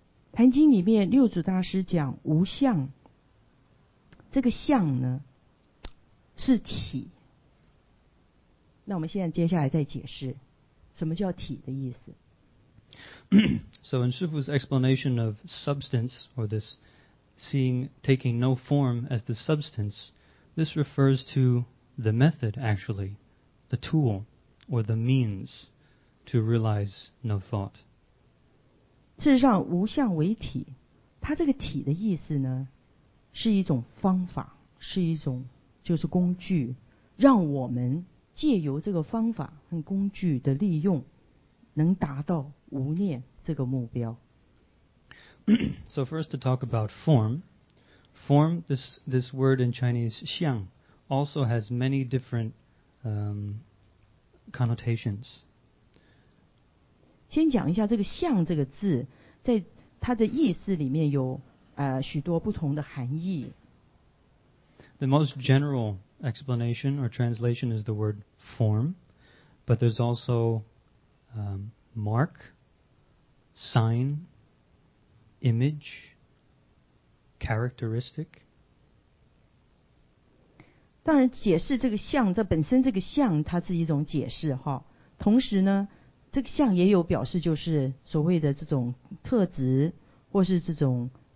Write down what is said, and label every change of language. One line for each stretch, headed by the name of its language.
Chinese: 坛经里面六祖大师讲无相，这个相呢是体。那我们现在接下来再解释什么叫体的意思。
English: So in Shifu's explanation of substance, or this seeing taking no form as the substance, this refers to the method actually, the tool or the means. To realize no thought.
Chinese: 事实上，无相为体，它这个体的意思呢，是一种方法，是一种就是工具，让我们借由这个方法和工具的利用，能达到无念这个目标。
English: So first to talk about form. Form, this word in Chinese, 相, also has many different connotations.
Chinese: 先讲一下这个相这个字在它的意思里面有许多不同的含义。
English: The most general explanation or translation is the word form, but there's also mark, sign, image, characteristic.
Chinese: 当然解释这个相它本身这个相它是一种解释哈，同时呢这个相也有表示就是所谓的这种特质或是这种